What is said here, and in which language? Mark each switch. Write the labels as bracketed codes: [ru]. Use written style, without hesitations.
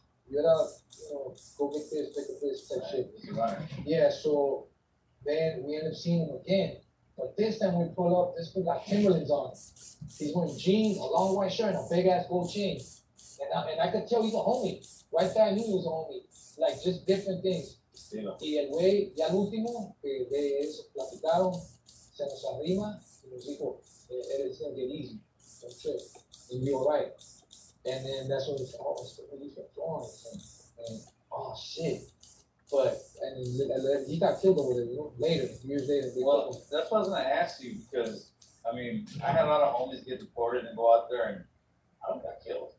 [en] You're not, you know, go get this, pick up this type shit. Right. Yeah, so then we end up seeing him again. But this time we pull up, this dude got Timberlands on. He's wearing jeans, a long white shirt, and a big ass gold chain. And I could tell he's a homie. Right there, I knew he was a homie. Like, just different things. [es] Sí, no. Y el güey, ya el último, que de eso platicaron, se nos arrima, y nos dijo, eres un genio. [en] That's it. And you're right. And then that's when it's all the police are throwing. And oh shit. But, and he got killed over there, you know, later, years later. Well, that's what I was going to ask you, because, I mean, I had a lot of homies get deported and go out there, and I don't got killed.